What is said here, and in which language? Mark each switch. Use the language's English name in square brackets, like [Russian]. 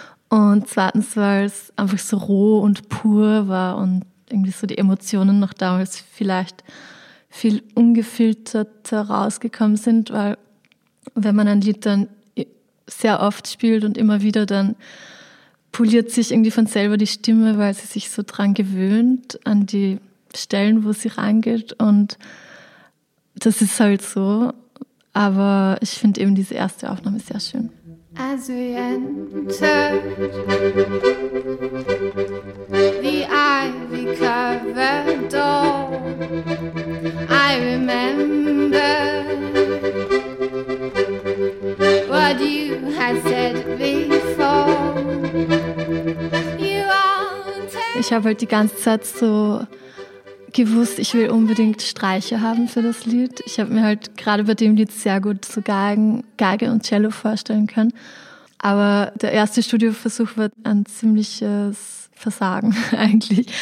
[German] Und zweitens, weil es einfach so roh und pur war und irgendwie so die Emotionen noch damals vielleicht viel ungefilterter rausgekommen sind, weil wenn man ein Lied dann sehr oft spielt und immer wieder, dann poliert sich irgendwie von selber die Stimme, weil sie sich so dran gewöhnt an die Stellen, wo sie reingeht. Und das ist halt so. Aber ich finde eben diese erste Aufnahme sehr schön. [English] As we entered the ivy-covered door, I remember what you had said before. You wanted. [German] Ich habe halt die ganze Zeit so gewusst, ich will unbedingt Streicher haben für das Lied. Ich habe mir halt gerade bei dem Lied sehr gut so Geige und Cello vorstellen können. Aber der erste Studioversuch war ein ziemliches Versagen eigentlich.